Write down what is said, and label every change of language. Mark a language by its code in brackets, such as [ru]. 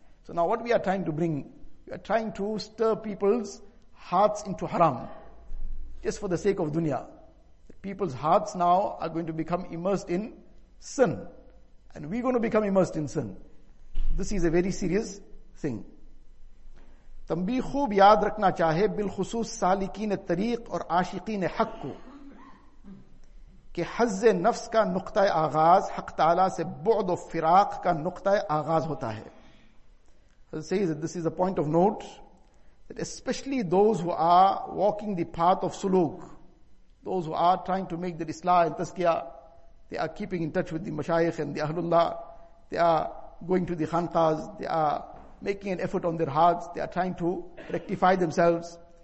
[en] So now what we are trying to bring, we are trying to stir people's hearts into haram, just for the sake of dunya. People's hearts now are going to become immersed in sin, and we're going to become immersed in sin. This is a very serious thing. [ur] تنبیہ خوب یاد رکھنا چاہے بالخصوص سالکین طریق اور عاشقین حق کو کہ حظ نفس کا نقطہ آغاز حق تعالیٰ سے بعد و فراق کا نقطہ آغاز ہوتا ہے. [en] It says that this is a point of note, that especially those who are walking the path of suluk, those who are trying to make the islah and tazkiyah, they are keeping in touch with the mashayikh and the ahlullah, they are going to the khanqahs, they are making an effort on their hearts, they are trying to rectify themselves.